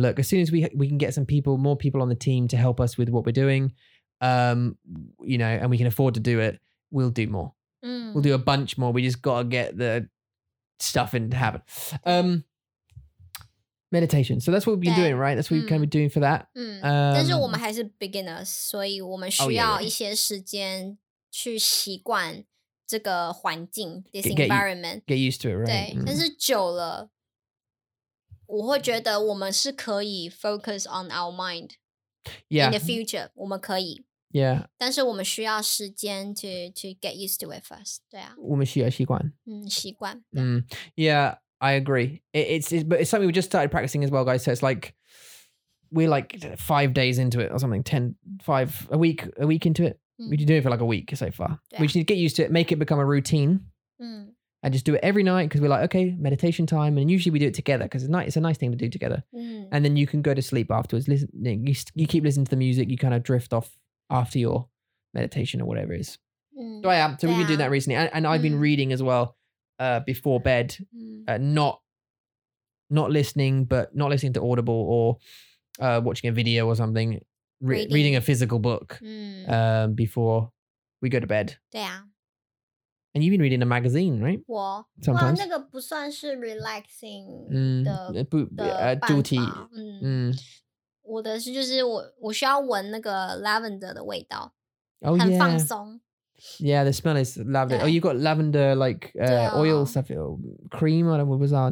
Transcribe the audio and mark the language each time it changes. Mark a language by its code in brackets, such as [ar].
[en] Look, as soon as we can get some people, more people on the team to help us with what we're doing, you know, and we can afford to do it, we'll do more. We'll do a bunch more. We just gotta get the stuff in to happen. Meditation. So that's what we've been doing, right? That's what we've kind of been doing for that. [zh] 但是我们还是 beginners, 所以我们需要一些时间去习惯这个环境, [en] this environment. Get used to it, right? [zh] 但是久了，我会觉得我们是可以 [en] focus on our mind. Yeah. In the future, [zh] 我们可以. Yeah. 但是我们需要时间 [en] to get used to it first. [zh] 对啊。我们需要习惯。习惯。 [en] Yeah. I agree. It's something we just started practicing as well, guys. So it's like, we're like 5 days into it or something, a week into it. We've been doing it for like a week so far. Yeah. We just need to get used to it, make it become a routine and just do it every night because we're like, okay, meditation time. And usually we do it together because it's a nice thing to do together. And then you can go to sleep afterwards. You keep listening to the music. You kind of drift off after your meditation or whatever it is. So we've been doing that recently. And I've been reading as well. Before bed, not listening to Audible or watching a video or something, reading a physical book before we go to bed. And you've been reading a magazine, right? [zh] 我, [en] sometimes. [zh] 哇,那个不算是 relaxing 的办法。我的是就是我需要闻那个 lavender的味道, oh, 很放松。 Yeah. [en] Yeah, the smell is lavender. Oh, you got lavender like oil stuff, cream. I don't know what was that.